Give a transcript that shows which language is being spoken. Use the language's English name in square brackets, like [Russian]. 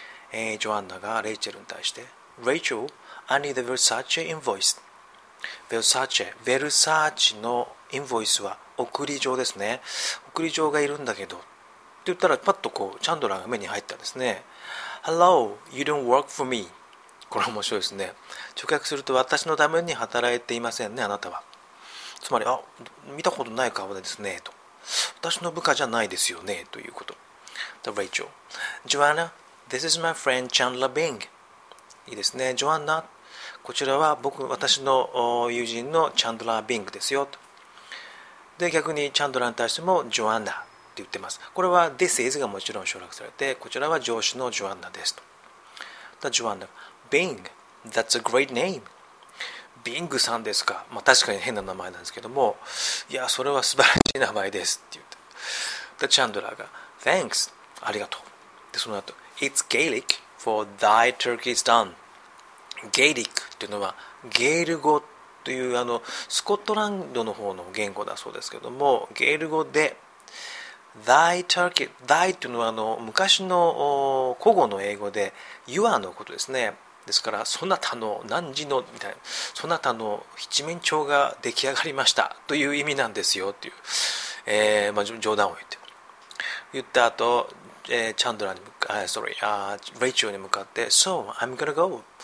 [Japanese] ジョアンナがレイチェルに対して [English] Rachel, I need a Versace invoice。 [Japanese] Versace のインボイスは送り状ですね。送り状がいるんだけどって言ったら、パッとこうチャンドラーが目に入ったんですね。 [English] Hello, you don't work for me。 [Japanese] これ面白いですね。直訳すると、私のために働いていませんね、あなたは。つまり、あ、見たことない顔ですねと、私の部下じゃないですよねということ。 [English] Rachel, JoannaThis is my friend Chandler Bing。 [Japanese] いいですね、ジョアンナ。こちらは僕、私の友人のチャンドラー・ビングですよと。で、逆にチャンドラーに対してもジョアンナって言ってます。これは [English] This is [Japanese] がもちろん省略されて、こちらは上司のジョアンナですと。 [English] だ、ジョアンナ、Bing, that's a great name。 [Japanese] Bing さんですか。まあ確かに変な名前なんですけども、いや、それは素晴らしい名前ですって言って。だ、チャンドラーが [English] Thanks、 [Japanese] ありがとう。で、その後、 [English] It's Gaelic for thy turkey's done。 [Japanese] Gaelic というのはゲール語という、あのスコットランドの方の言語だそうですけども、ゲール語で [English] thy turkey、 [Japanese] thy というのはあの昔の古語の英語で [English] your [Japanese] のことですね。ですから、そなたの何時のみたいな、そなたの七面鳥が出来上がりましたという意味なんですよという、まあ、冗談を言って言った後、チャンドラーに向か、レイチェルに向かって、 [English] So, I'm gonna go。